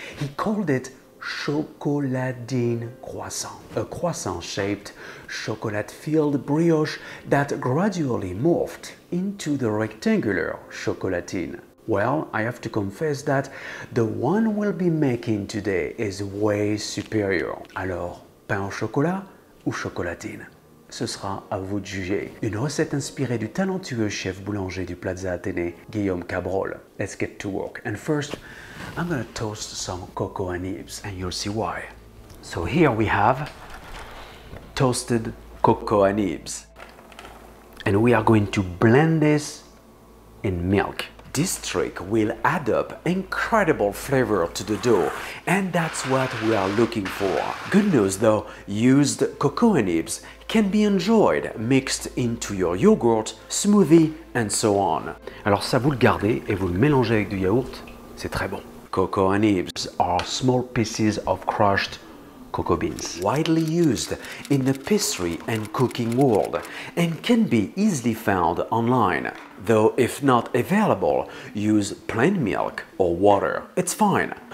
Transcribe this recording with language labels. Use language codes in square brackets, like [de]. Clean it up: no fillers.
[en] He called it Chocolatine croissant, a croissant-shaped chocolate-filled brioche that gradually morphed into the rectangular chocolatine. Well, I have to confess that the one we'll be making today is way superior. [fr] Alors, pain au chocolat ou chocolatine? Ce sera à vous de juger. Une recette inspirée du talentueux chef boulanger du Plaza Athénée, Guillaume Cabrol. [en] Let's get to work. And first, I'm gonna toast some cocoa and nibs, and you'll see why. So here we have toasted cocoa and nibs. And we are going to blend this in milk. This trick will add up incredible flavor to the dough, and that's what we are looking for. Good news though, used cocoa nibs can be enjoyed mixed into your yogurt, smoothie, and so on. [fr] Alors ça, vous le gardez et vous le mélangez avec du yaourt, c'est très bon. [en] Cocoa nibs are small pieces of crushed cocoa beans, widely used in the pastry and cooking world, and can be easily found online. Though if not available, use plain milk or water. It's fine.